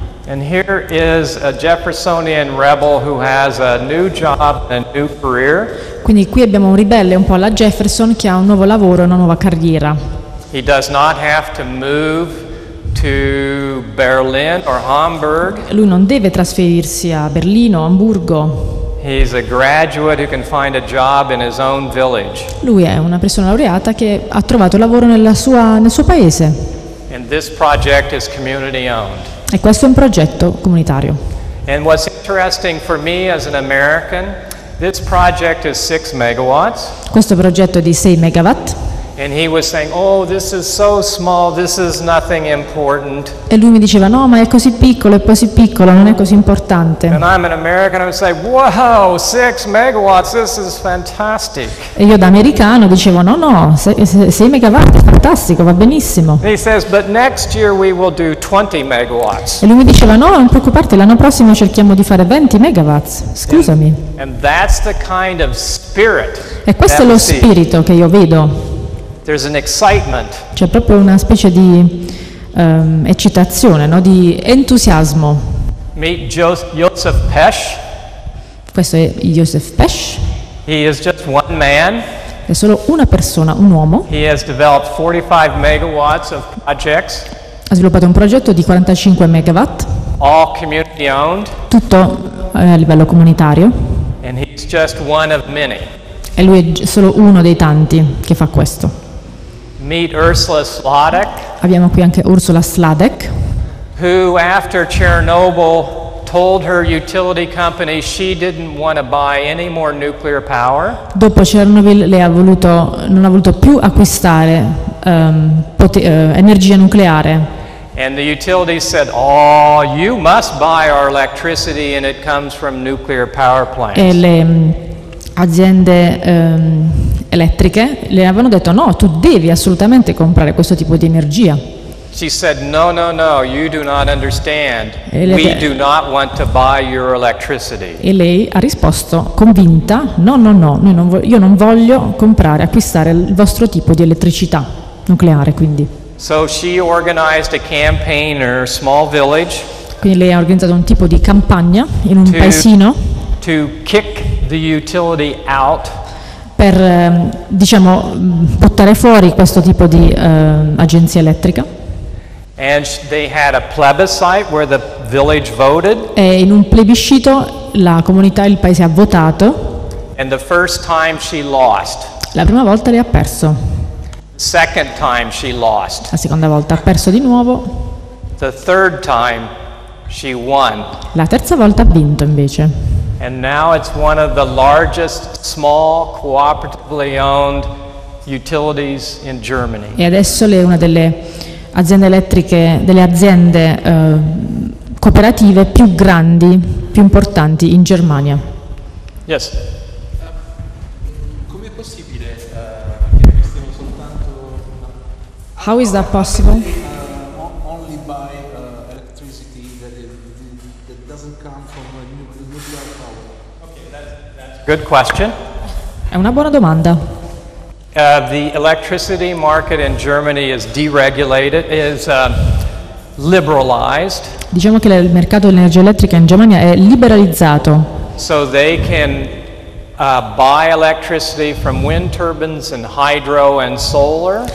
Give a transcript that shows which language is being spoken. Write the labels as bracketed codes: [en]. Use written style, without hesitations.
[en] And here is a Jeffersonian rebel who has a new job and a new career. [it] Quindi qui abbiamo un ribelle un po' alla Jefferson che ha un nuovo lavoro e una nuova carriera. [en] He does not have to move to Berlin or Hamburg. [it] Lui non deve trasferirsi a Berlino o Amburgo. [en] He's a graduate who can find a job in his own village. [it] Lui è una persona laureata che ha trovato lavoro nel suo paese. [en] And this project is community owned. [it] E questo è un progetto comunitario. [en] And what's interesting for me as an American, this project is 6 megawatts. [it] Questo progetto è di 6 megawatt. [en] And he was saying, "Oh, this is so small, this is nothing important." [it] E lui mi diceva, "No, ma è così piccolo, non è così importante." [en] And I'm an American, I would say, "Wow, 6 megawatts, this is fantastic." [it] E io da americano dicevo, "No, 6 megawatt è fantastico, va benissimo." [en] He says, "But next year we will do 20 megawatts." [it] E lui mi diceva, "No, non preoccuparti, l'anno prossimo cerchiamo di fare 20 megawatts, scusami." [en] And that's the kind of spirit. [it] E questo è lo spirito che io vedo. [en] There's an excitement. [it] C'è proprio una specie di eccitazione, no? Di entusiasmo. [en] Meet Joseph Pesch. [it] Questo è Joseph Pesch. [en] He is just one man. [it] È solo una persona, un uomo. [en] He has developed 45 megawatts of projects. [it] Ha sviluppato un progetto di 45 megawatt. [en] All community owned. [it] Tutto a livello comunitario. [en] And he's just one of many. [it] E lui è solo uno dei tanti che fa questo. [en] Meet Ursula Sladek. [it] Abbiamo qui anche Ursula Sladek. [en] Who after Chernobyl told her utility company she didn't want to buy any more nuclear power. [it] Dopo Chernobyl non ha voluto più acquistare energia nucleare. [en] And the utility said, "Oh, you must buy our electricity and it comes from nuclear power plants." [it] E le aziende elettriche le avevano detto, "No, tu devi assolutamente comprare questo tipo di energia." [en] She said, "No, no, no, you do not understand. We do not want to buy your electricity." [it] E lei ha risposto convinta: "No, no, no, io non voglio comprare, acquistare il vostro tipo di elettricità nucleare, quindi." [en] So she organized a campaign in her small village. [it] Quindi lei ha organizzato un tipo di campagna in un paesino [en] to kick the utility out. [it] Per diciamo buttare fuori questo tipo di agenzia elettrica. [en] And they had a plebiscite where the village voted. [it] E in un plebiscito la comunità, il paese ha votato. [en] And the first time she lost. [it] La prima volta lei ha perso. [en] Second time she lost. [it] La seconda volta ha perso di nuovo. [en] The third time she won. [it] La terza volta ha vinto invece. [en] And now it's one of the largest small cooperatively owned utilities in Germany. [it] E adesso lei è una delle aziende elettriche, delle aziende cooperative più grandi, più importanti in Germania. [en] Yes. [it] Come è possibile che acquistiamo soltanto una... [en] How is that possible? Only buy electricity that doesn't come from a nuclear power. Okay, that's good question. [it] È una buona domanda. [en] The electricity market in Germany is deregulated, is liberalized. [it] Diciamo che il mercato dell'energia elettrica in Germania è liberalizzato. [en] So they can buy electricity from wind turbines and hydro and solar.